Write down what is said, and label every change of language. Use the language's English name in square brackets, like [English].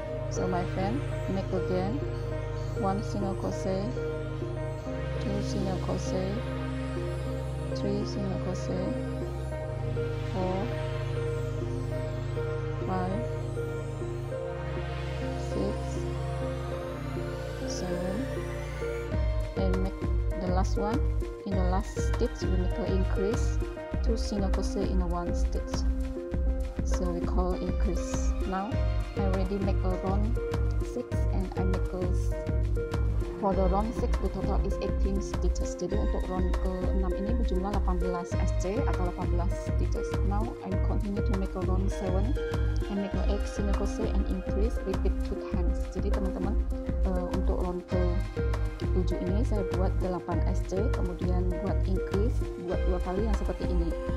[English] So my friend, make again 1 single crochet, 2 single crochet, 3 single crochet, 4, 5, 6, 7, and make the last one. In the last stitch, we make an increase, 2 single crochet in a 1 stitch. So we call increase. Now, I already make a round 6 and I make a for the round 6, the total is 18 stitches. [Indonesian] Jadi untuk round ke-6 ini berjumlah 18 SC atau 18 stitches. [English] Now I continue to make a round 7 and make a 8 single crochet and increase, repeat 2 times. [Indonesian] Jadi teman-teman, untuk round ke-7 ini saya buat 8 SC, kemudian buat increase, buat 2 kali yang seperti ini.